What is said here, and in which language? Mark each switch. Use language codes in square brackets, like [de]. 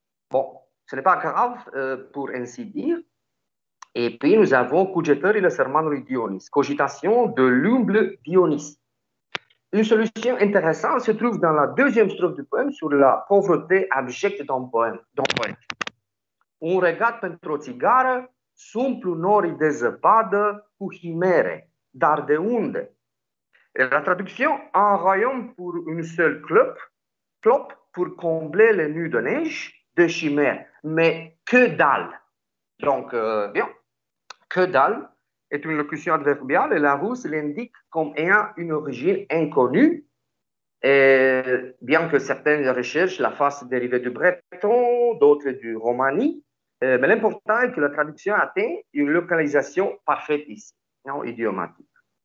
[fr] Bon, ce n'est pas grave, pour ainsi dire. Et puis nous avons cugetări le sermanului Dionis, cogitation de l'humble Dionis. Une solution intéressante se trouve dans la deuxième strophe du poème sur la pauvreté abjecte d'un poète. [ro] Un regat pentru o țigară, s'umplu norii de zăpadă cu chimere, dar de unde? [fr] Et la traduction, un royaume pour une seule clope pour combler les nuits de neige, de chimère, mais que dalle. Donc, bien, que dalle est une locution adverbiale et Larousse l'indique comme ayant une origine inconnue, et bien que certaines recherches la fassent dériver du breton, d'autres du romani, mais l'important est que la traduction atteint une localisation parfaite ici, non, idiomatique.